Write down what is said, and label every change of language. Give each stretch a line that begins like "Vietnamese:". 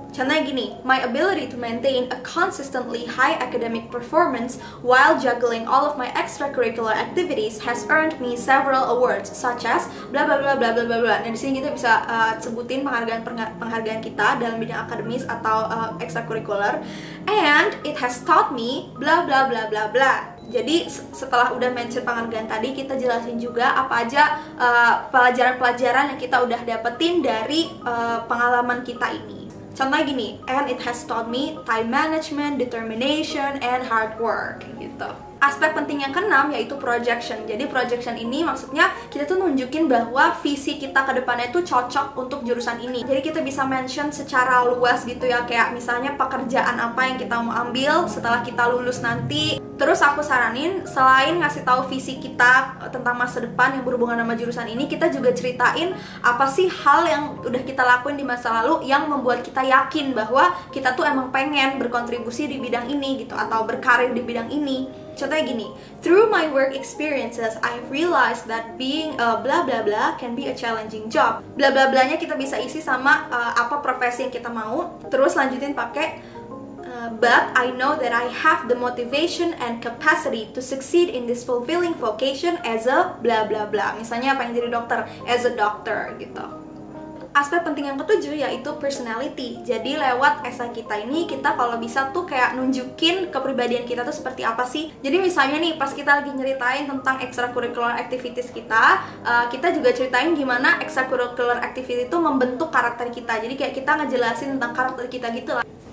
Indonesian: Contohnya gini,
English: my ability to maintain a consistently high academic performance while juggling all of my extracurricular activities has earned me several awards such as bla bla bla bla bla bla bla.
Indonesian: Nah, di sini kita bisa sebutin penghargaan kita dalam bidang akademis atau extracurricular.
English: And it has taught me bla bla bla bla bla.
Indonesian: Jadi setelah udah mention penghargaan tadi, kita jelasin juga apa aja pelajaran-pelajaran yang kita udah dapetin dari pengalaman kita ini. Contohnya gini,
English: and it has taught me time management, determination, and hard work
Indonesian: gitu. Aspek penting yang keenam yaitu projection. Jadi projection ini maksudnya kita tuh nunjukin bahwa visi kita ke depannya itu cocok untuk jurusan ini. Jadi kita bisa mention secara luas gitu ya, kayak misalnya pekerjaan apa yang kita mau ambil setelah kita lulus nanti. Terus aku saranin selain ngasih tahu visi kita tentang masa depan yang berhubungan sama jurusan ini, kita juga ceritain apa sih hal yang udah kita lakuin di masa lalu yang membuat kita yakin bahwa kita tuh emang pengen berkontribusi di bidang ini gitu atau berkarir di bidang ini. Contohnya gini,
English: through my work experiences, I've realized that being a blah blah blah can be a challenging job.
Indonesian: Blah blah blahnya kita bisa isi sama apa profesi yang kita mau. Terus lanjutin pakai,
English: but I know that I have the motivation and capacity to succeed in this fulfilling vocation as a blah blah blah.
Indonesian: Misalnya pengen jadi dokter,
English: as a doctor
Indonesian: gitu. Aspek penting yang ketujuh yaitu personality. Jadi lewat esai kita ini, kita kalau bisa tuh kayak nunjukin kepribadian kita tuh seperti apa sih. Jadi misalnya nih, pas kita lagi nyeritain tentang extracurricular activities kita, kita juga ceritain gimana extracurricular activity itu membentuk karakter kita. Jadi kayak kita ngejelasin tentang karakter kita gitu lah.